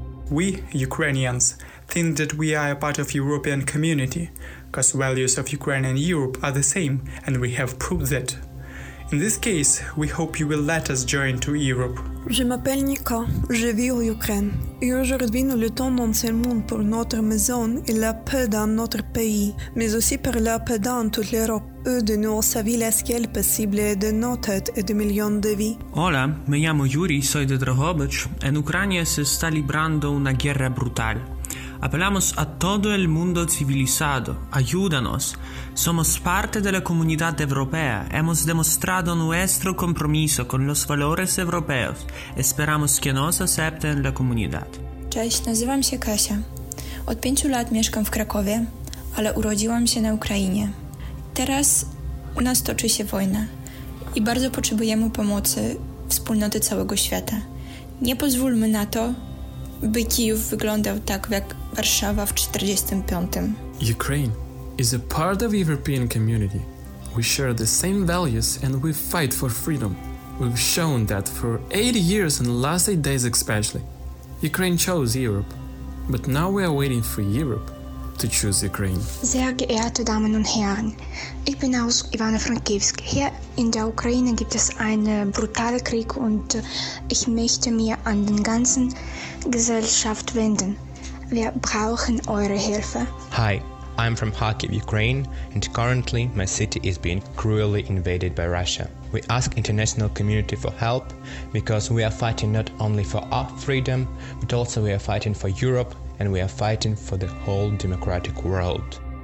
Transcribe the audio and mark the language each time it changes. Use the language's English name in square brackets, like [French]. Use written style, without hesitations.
[English] We, Ukrainians, think that we are a part of European community, because values of Ukraine and Europe are the same, and we have proved that. In this case, we hope you will let us join to Europe. [French] Je m'appelle Nika, je vis en Ukraine, et aujourd'hui nous luttons non seulement pour notre maison et la paix dans notre pays, mais aussi pour la paix dans toute l'Europe. Eux de nous ont savé l'escalade possible de nos têtes et de millions de vies. [Spanish] Hola, me llamo Yuri, soy de Drohobyč, en Ucrania se está librando una guerra brutal. Apelamos a todo el mundo civilizado, ayúdanos. Somos parte de la comunidad europea, hemos demostrado nuestro compromiso con los valores europeos. Esperamos que nos acepten la comunidad. [Polish] Cześć, nazywam się Kasia. Od 5 lat mieszkam w Krakowie, ale urodziłam się na Ukrainie. Teraz u nas toczy się wojna i bardzo potrzebujemy pomocy wspólnoty całego świata. Nie pozwólmy na to, by Kijów wyglądał tak jak Warszawa w 45. [English] Ukraine is a part of European community. We share the same values and we fight for freedom. We've shown that for 8 years and last 8 days especially. Ukraine chose Europe, but now we are waiting for Europe to choose Ukraine. [German] Sehr geehrte Damen und Herren, ich bin aus Ivano-Frankivsk. Hier in der Ukraine gibt es einen brutalen Krieg und ich möchte mir an den ganzen Gesellschaft wenden. Wir brauchen eure Hilfe. [English] Hi. I'm from Kharkiv, Ukraine, and currently my city is being cruelly invaded by Russia. We ask international community for help because we are fighting not only for our freedom, but also we are fighting for Europe and we are fighting for the whole democratic world.